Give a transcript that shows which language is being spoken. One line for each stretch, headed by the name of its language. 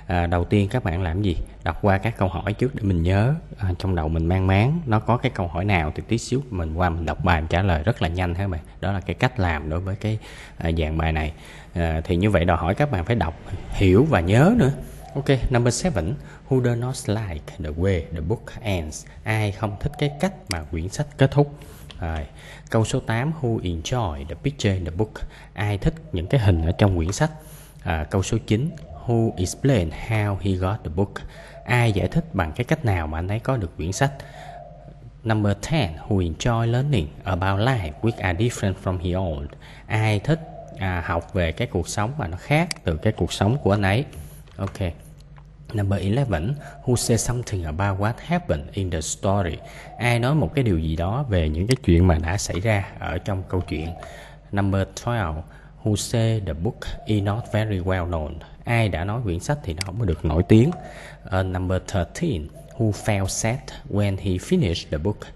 Vietnamese: Đầu tiên các bạn làm gì? Đọc qua các câu hỏi trước để mình nhớ, trong đầu mình mang máng nó có cái câu hỏi nào, thì tí xíu mình qua mình đọc bài mình trả lời rất là nhanh ha mày. Đó là cái cách làm đối với cái dạng bài này. Thì như vậy đòi hỏi các bạn phải đọc, hiểu và nhớ nữa.
English: Ok, number 7. Who does not like the way the book ends?
Vietnamese: Ai không thích cái cách mà quyển sách kết thúc? Rồi, câu số 8,
English: who enjoy the picture in the book?
Vietnamese: Ai thích những cái hình ở trong quyển sách? Câu số 9,
English: who explain how he got the book?
Vietnamese: Ai giải thích bằng cái cách nào mà anh ấy có được quyển sách?
English: Number 10, who enjoy learning about life which are different from his own?
Vietnamese: Ai thích học về cái cuộc sống mà nó khác từ cái cuộc sống của anh ấy? Ok.
English: Number 11, who says something about what happened in the story?
Vietnamese: Ai nói một cái điều gì đó về những cái chuyện mà đã xảy ra ở trong câu chuyện?
English: Number 12, who says the book is not very well known?
Vietnamese: Ai đã nói quyển sách thì nó không được nổi tiếng?
English: Number 13, who felt sad when he finished the book?